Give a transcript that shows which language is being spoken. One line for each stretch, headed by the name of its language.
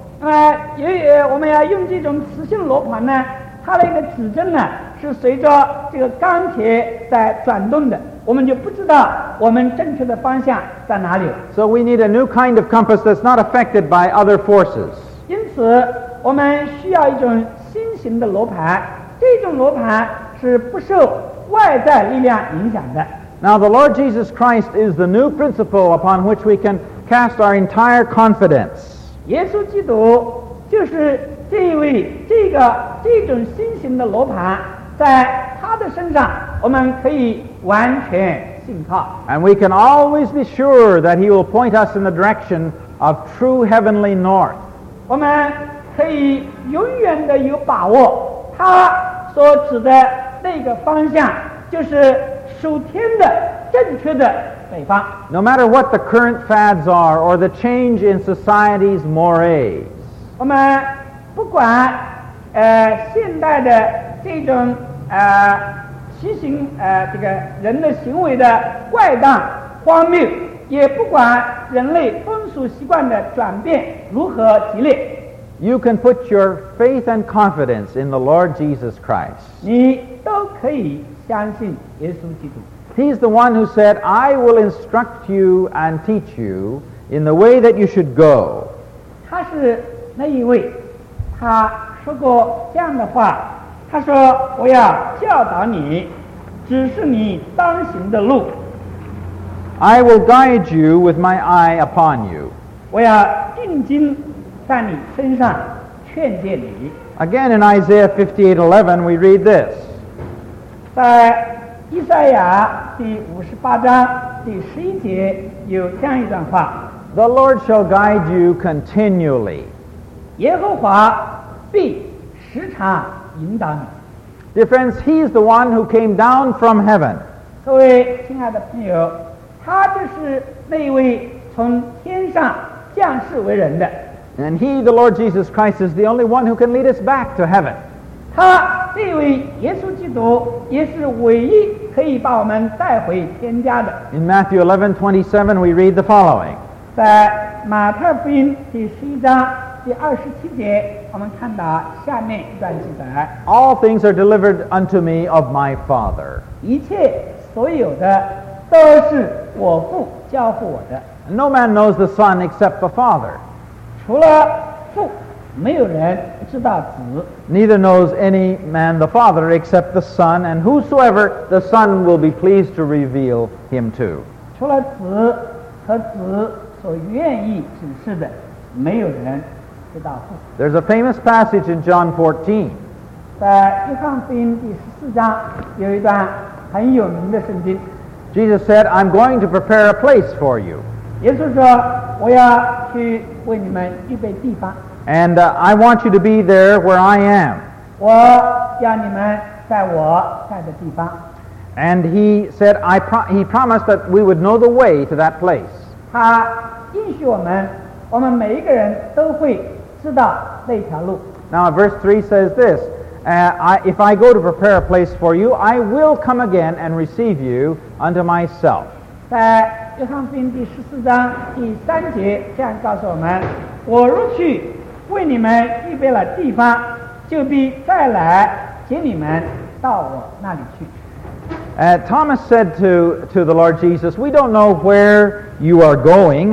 Chinese: 我们要用这种磁性罗盘呢，它的一个指针呢，是随着这个钢铁在转动的，我们就不知道我们正确的方向在哪里。
English: So we need a new kind of compass that's not affected by other forces.
Chinese: 因此，我们需要一种新型的罗盘，这种罗盘是不受外在力量影响的。
English: Now the Lord Jesus Christ is the new principle upon which we can cast our entire confidence.
Chinese: 耶稣基督就是这一位这种新型的罗盘，在他的身上我们可以完全信靠。
English: And we can always be sure that he will point us in the direction of true heavenly north.
Chinese: 我们可以永远的有把握，他所指的那个方向就是属天的正确的北方。
English: No matter what the current fads are or the change in society's mores,
Chinese: 我们不管现代的这种畸形这个人的行为的怪诞荒谬，也不管人类风俗习惯的转变如何激烈，
English: You can put your faith and confidence in the Lord Jesus Christ.
Chinese: 你都可以相信耶稣基督。
English: He's the one who said, I will instruct you and teach you in the way that you should go.
Chinese: 他是那一位，他说过这样的话，他说我要教导你，指示你当行的路。
English: I will guide you with my eye upon you.
Chinese: 我要定睛在你身上劝诫你。
English: Again in Isaiah 58:11 we read this.
Chinese: 在以赛亚第58:11有这样一段话。
English: The Lord shall guide you continually.
Chinese: 耶和华必时常引导你。
English: Dear friends, he is the one who came down from heaven.
Chinese: 各位亲爱的朋友，他就是那位从天上降世为人的。
English: And he, the Lord Jesus Christ, is the only one who can lead us back to heaven.
Chinese: 他这位耶稣基督也是唯一可以把我们带回天家的。
English: In Matthew 11:27, we read the following.
Chinese: 在马太福音第11:27，我们看到下面一段记载。
English: All things are delivered unto me of my Father.
Chinese: 一切所有的都是我父交付我的。
English: No man knows the Son except the Father.
Chinese: 除了父，没有人知道子。
English: Neither knows any man the Father except the Son, and whosoever the Son will be pleased to reveal him to.
Chinese: 除了子和子所愿意指示的，没有人知道父。
English: There's a famous passage in John 14.
Chinese: 在约翰福音第14有一段很有名的圣经。
English: Jesus said, I'm going to prepare a place for you.
Chinese: 耶稣说，我要去为你们预备地方。
English: And I want you to be there where I am.
Chinese: 我要你们在我在的地方。
English: And he said, he promised that we would know the way to that place.
Chinese: 他应许我们每一个人都会知道那条路。
English: Now verse 3 says this, if I go to prepare a place for you, I will come again and receive you unto myself.
Chinese: 在约翰福音第14:3这样告诉我们，我如去为你们预备了地方，就必再来接你们到我那里去。
English: Thomas said to the Lord Jesus, we don't know where you are going.